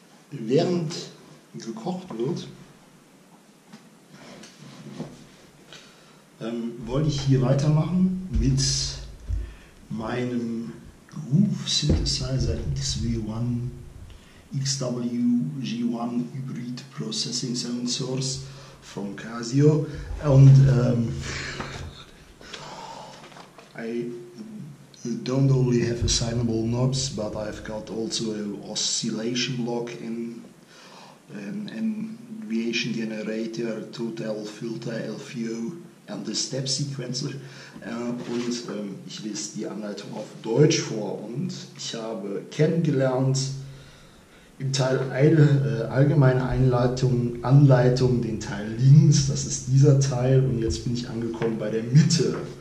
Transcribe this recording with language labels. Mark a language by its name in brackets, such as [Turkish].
[German] während gekocht wird, wollte ich hier weitermachen mit meinem Groove Synthesizer XWG1 Hybrid Processing Sound Source von Casio. Und [English] I don't only have assignable knobs, but I've got also an oscillation block and an deviation generator, total filter, LFO and the step sequencer. [German] Und ich lese die Anleitung auf Deutsch vor und ich habe kennengelernt im Teil allgemeine Anleitung, den Teil links, das ist dieser Teil, und jetzt bin ich angekommen bei der Mitte.